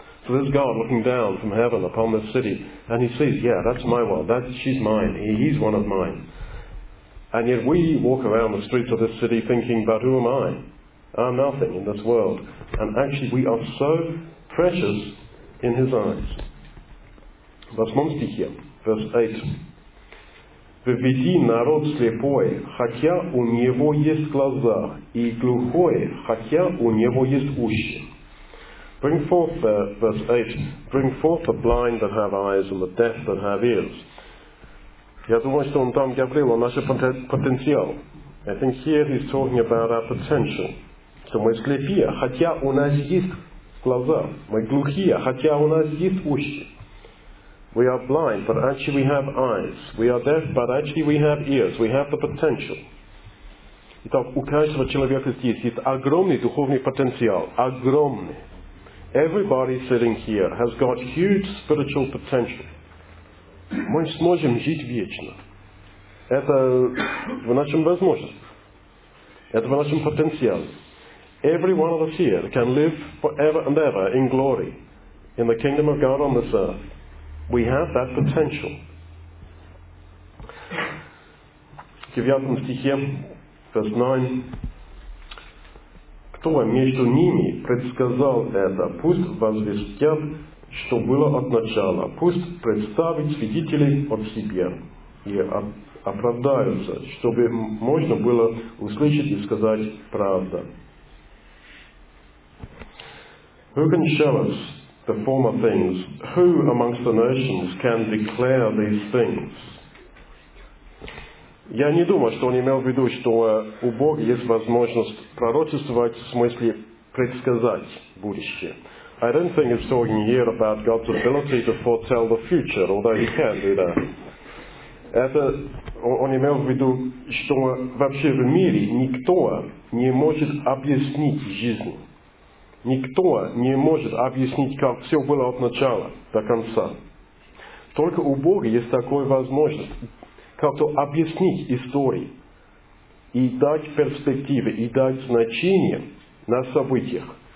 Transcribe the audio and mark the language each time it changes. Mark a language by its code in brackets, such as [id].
[en] So this God looking down from heaven upon this city, and he sees, yeah, that's my world, that she's mine, he's one of mine. And yet we walk around the streets of this city thinking, but who am I? I'm nothing in this world. And actually we are so precious in his eyes. [ru] Восьмом стихе, [en] verse 8. [ru] Введи народ слепой, хотя у него есть глаза, и глухой, хотя у него есть уши. [en] Bring forth, verse 8, bring forth the blind that have eyes and the deaf that have ears. [ru] Я думаю, что он там говорил о нашем потенциале. [en] I think here he's talking about our potential. [ru] Что мы слепые, хотя у нас есть глаза. Мы глухие, хотя у нас есть уши. [en] We are blind, but actually we have eyes. We are deaf, but actually we have ears. We have the potential. [ru] Итак, у каждого человека здесь есть огромный духовный потенциал. Огромный. [en] Everybody sitting here has got huge spiritual potential. [ru] Мы сможем жить вечно. Это в нашем возможности. Это в нашем потенциале. [en] Every one of us here can live forever and ever in glory in the kingdom of God on this earth. We have that potential. [ru] Девятом стихе, [en] verse 9. [ru] Кто между ними предсказал это, пусть возвестят, что было от начала, пусть представят свидетелей от себя и оправдаются, чтобы можно было услышать и сказать правду. [en] Who can show us the former things? Who amongst the nations can declare these things? [ru] Я не думаю, что он имел в виду, что у Бога есть возможность пророчествовать, в смысле предсказать будущее. [en] I don't think he's talking here about God's ability to foretell the future, although he can do that. [ru] Это он имел в виду, что вообще в мире никто не может объяснить жизнь. Никто не может объяснить, как все было от начала до конца. Только у Бога есть такая возможность. Как-то объяснить истории и дать перспективы, и дать значение на событиях.